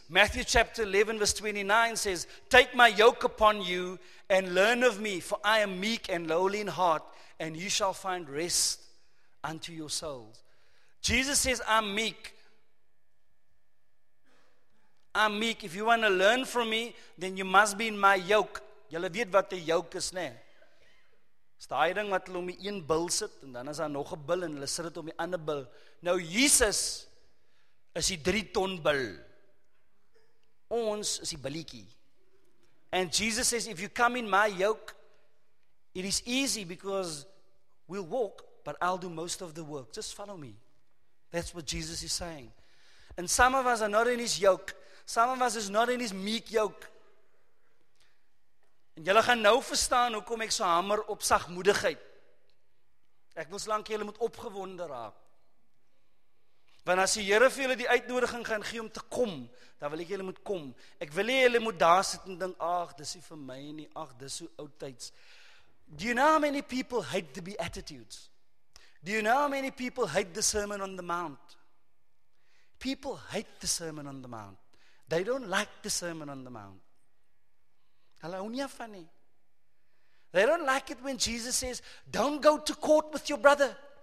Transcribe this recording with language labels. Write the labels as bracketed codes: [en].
[en] Matthew chapter 11 verse 29 says, take my yoke upon you and learn of me, for I am meek and lowly in heart, and you shall find rest unto your souls. Jesus says, I'm meek. I'm meek. If you want to learn from me, then you must be in my yoke. [af] Julle weet wat 'n yoke is, né? Is daai ding wat hulle om die een bil sit en dan is daar nog 'n bil en hulle sit dit om die ander bil. Nou Jesus is die 3-ton bil. Ons is die billiekie. [en] And Jesus says, if you come in my yoke, it is easy because we'll walk, but I'll do most of the work. Just follow me. That's what Jesus is saying. And some of us are not in his yoke. Some of us is not in his meek yoke. [af] En julle gaan nou verstaan hoekom ek so hamer op sagmoedigheid. Ek wil slank julle moet opgewonde raak. Want as die Here vir julle die uitnodiging gaan gee om te kom, dan wil ek julle moet kom. Ek wil nie julle moet daar sit en dink, ag, dis nie vir my nie, ag, dis so oudtyds. [en] Do you know how many people hate the Beatitudes? Do you know how many people hate the Sermon on the Mount? People hate the Sermon on the Mount. They don't like the Sermon on the Mount. [af] Hulle hou nie van nie. [en] They don't like it when Jesus says, don't go to court with your brother.